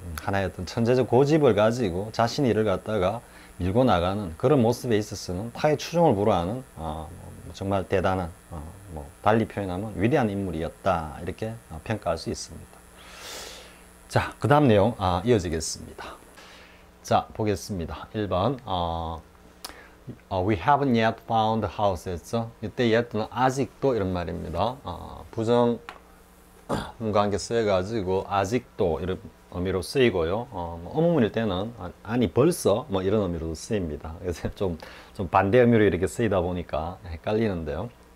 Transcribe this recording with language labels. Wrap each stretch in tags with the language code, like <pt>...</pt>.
<ko>하나의 어떤 천재적 고집을 가지고 자신의 일을 갖다가 밀고 나가는 그런 모습에 있어서는 타의 추종을 불허하는, 정말 대단한, 달리 표현하면 위대한 인물이었다. 이렇게 평가할 수 있습니다. 자, 그 다음 내용, 이어지겠습니다. 자, 보겠습니다.</ko> <en>1번, we haven't yet found the house 했죠?</en> <ko>이때 yet는 아직도 이런 말입니다. 부정, 뭔가 한게 쓰여가지고, 아직도 이런 의미로 쓰이고요. 어문일 때는, 아니, 벌써, 뭐 이런 의미로도 쓰입니다. 그래서 좀 반대 의미로 이렇게 쓰이다 보니까 헷갈리는데요.</ko>